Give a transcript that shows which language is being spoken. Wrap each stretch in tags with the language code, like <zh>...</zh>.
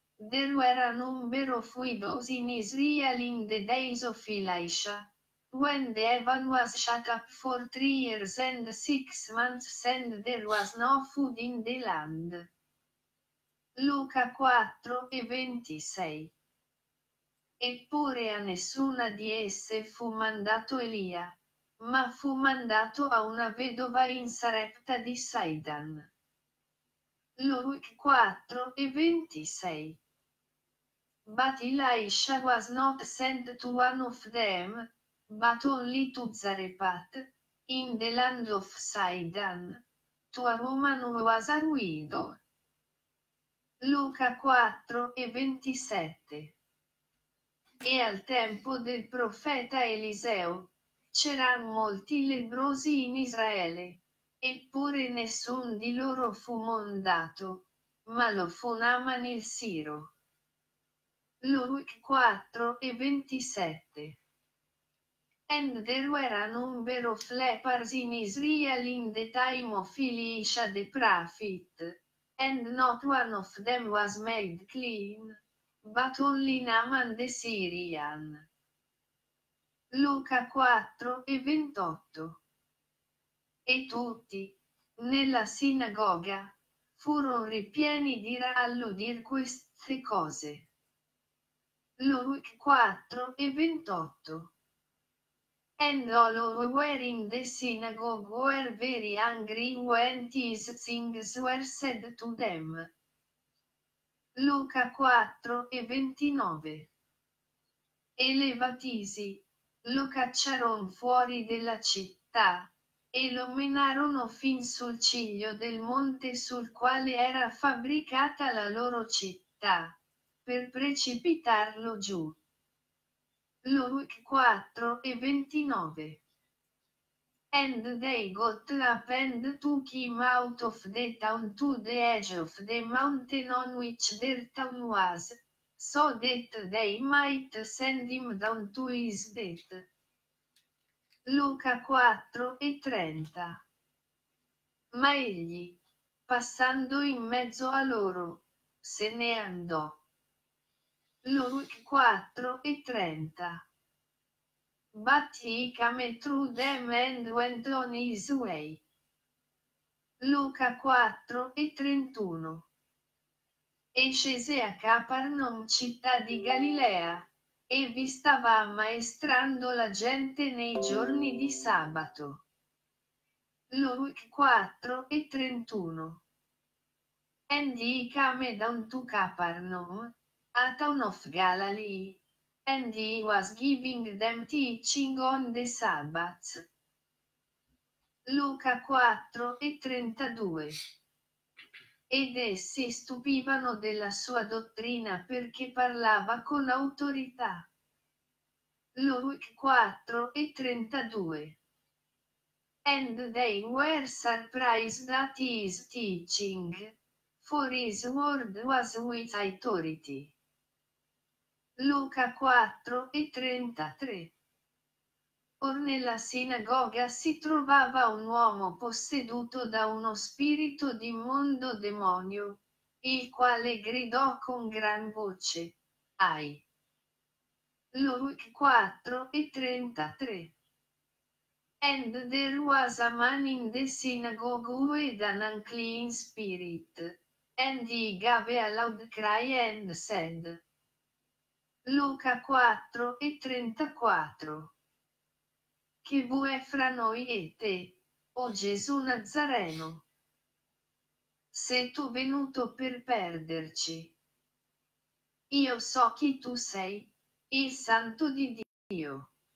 <en>There were a number of widows in Israel in the days of Elisha. When the heaven was shut up for 3 years and 6 months and there was no food in the land.</en> <it>Luca 4 e 26. Eppure a nessuna di esse fu mandato Elia, ma fu mandato a una vedova in Sarepta di Sidon. Luca 4 e 26.</it> <en>But Elisha was not sent to one of them, but only to Zarephath, in the land of Sidon, to a woman who was a widow.</en> <it>Luca 4 e 27. E al tempo del profeta Eliseo, c'erano molti lebbrosi in Israele, eppure nessun di loro fu mondato, ma lo fu Naaman il Siro. Luca 4 e 27.</it> <en>And there were a number of lepers in Israel in the time of Elisha the prophet, and not one of them was made clean, but only Naaman the Syrian.</en> <it>Luca 4 e 28. E tutti, nella sinagoga, furono ripieni di ira all'udir queste cose. Luca 4 e 28.</it> <en>And all who were in the synagogue were very angry when these things were said to them.</en> <it>Luca 4 e 29. E levatisi, lo cacciaron fuori della città, e lo menarono fin sul ciglio del monte sul quale era fabbricata la loro città, per precipitarlo giù.</it> <en>Luke 4 e 29. And they got up and took him out of the town to the edge of the mountain on which their town was, so that they might send him down to his death.</en> <it>Luca 4 e 30. Ma egli, passando in mezzo a loro, se ne andò. Luca 4 e 30.</it> <en>But he came through them and went on his way.</en> <it>Luca 4 e 31. E scese a Capernaum, città di Galilea, e vi stava ammaestrando la gente nei giorni di sabato. Luca 4 e 31.</it> <en>And he came down to Capernaum, a town of Galilee, and he was giving them teaching on the Sabbath.</en> <it>Luca 4 e 32. Ed essi stupivano della sua dottrina perché parlava con autorità. Luca 4 e 32.</it> <en>And they were surprised at his teaching, for his word was with authority.</en> <it>Luca 4 e 33. Or nella sinagoga si trovava un uomo posseduto da uno spirito di immondo demonio, il quale gridò con gran voce, Ai! Luca 4 e 33.</it> <en>And there was a man in the synagogue with an unclean spirit, and he gave a loud cry and said,</en> <it>Luca 4 e 34. Che vuoi fra noi e te, o Gesù Nazareno? Sei tu venuto per perderci? Io so chi tu sei, il Santo di Dio.</it>